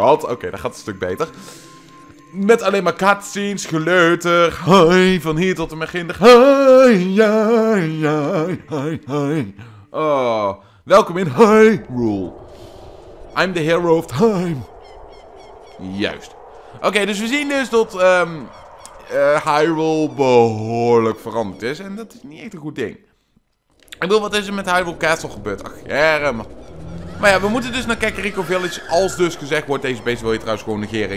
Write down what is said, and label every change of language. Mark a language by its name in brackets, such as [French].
[Dutch] Oké, dat gaat een stuk beter. Met alleen maar cutscenes, geleuter. Hoi, van hier tot de Meginder. Hoi, ja, ja, hoi, hoi. Oh, welkom in Hyrule. [English] I'm the hero of time. [Dutch] Juist. Oké, dus we zien dus dat Hyrule behoorlijk veranderd is. En dat is niet echt een goed ding. Ik bedoel, wat is er met Hyrule Castle gebeurd? Ach, jerem. Maar ja, we moeten dus naar Kakariko Village. Als dus gezegd wordt, deze beest wil je trouwens gewoon negeren.